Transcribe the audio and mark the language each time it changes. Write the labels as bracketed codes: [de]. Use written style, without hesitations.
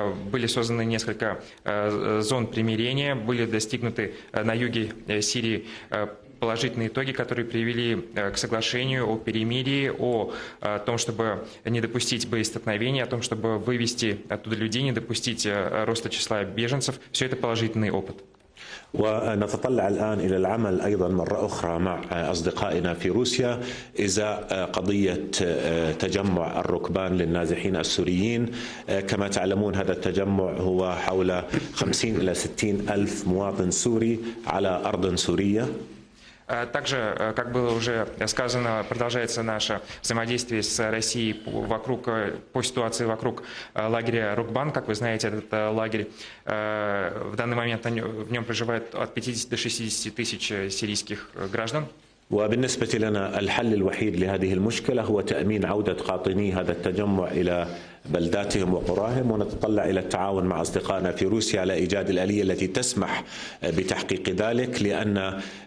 [ru] Были созданы несколько зон примирения, были достигнуты на юге Сирии положительные итоги, которые привели к соглашению о перемирии, о том, чтобы не допустить боестолкновений, о том, чтобы вывести оттуда людей, не допустить роста числа беженцев. Все это положительный опыт. [ar] ونتطلع الآن إلى العمل أيضا مرة أخرى مع أصدقائنا في روسيا إزاء قضية تجمع الركبان للنازحين السوريين كما تعلمون هذا التجمع هو حول 50 إلى 60 ألف مواطن سوري على أرض سورية. [ru] Также, как было уже сказано, продолжается наше взаимодействие с Россией по ситуации вокруг лагеря Рукбан. Как вы знаете, этот лагерь в данный момент в нем проживает от 50 до 60 тысяч сирийских граждан. [ar] وبالنسبة لنا الحل الوحيد لهذه المشكلة هو تأمين عودة قاطني هذا التجمع إلى بلداتهم وقراهم ونتطلع إلى التعاون مع أصدقائنا في روسيا على إيجاد الآلية التي تسمح بتحقيق ذلك لأن